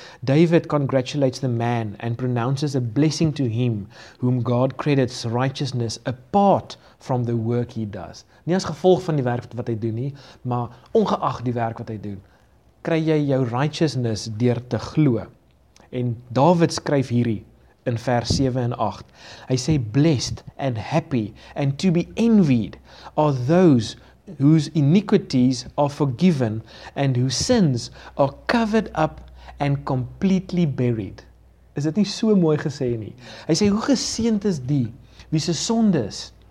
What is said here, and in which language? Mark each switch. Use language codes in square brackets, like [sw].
[en] David congratulates the man and pronounces a blessing to him whom God credits righteousness apart from the work he does. [af] Nie as gevolg van die werk wat hy doen nie, maar ongeag die werk wat hy doen, kry jy jou righteousness deur te glo. En David skryf hierdie in vers 7 en 8. Hy sê, [en] blessed and happy and to be envied are those whose iniquities are forgiven and whose sins are covered up and completely buried. [af] Is dit nie so mooi gesê nie? Hy sê, hoe geseend is die wie se sondes?